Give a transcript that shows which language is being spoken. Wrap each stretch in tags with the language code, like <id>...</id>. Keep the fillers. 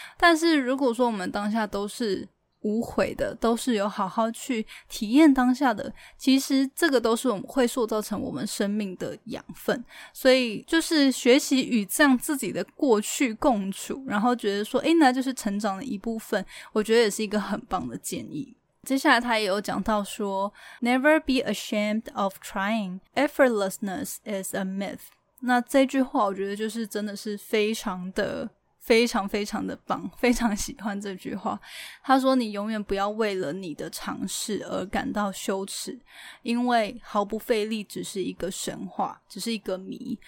<zh>但是如果说我们当下都是。无悔的，都是有好好去体验当下的。其实这个都是我们会塑造成我们生命的养分，所以就是学习与这样自己的过去共处，然后觉得说，哎，那就是成长的一部分。我觉得也是一个很棒的建议。接下来他也有讲到说，</zh> <en>Never be ashamed of trying. Effortlessness is a myth。</en> <zh>那这句话我觉得就是真的是非常的。非常非常的棒，非常喜欢这句话。他说：“你永远不要为了你的尝试而感到羞耻，因为毫不费力只是一个神话，只是一个谜。</zh>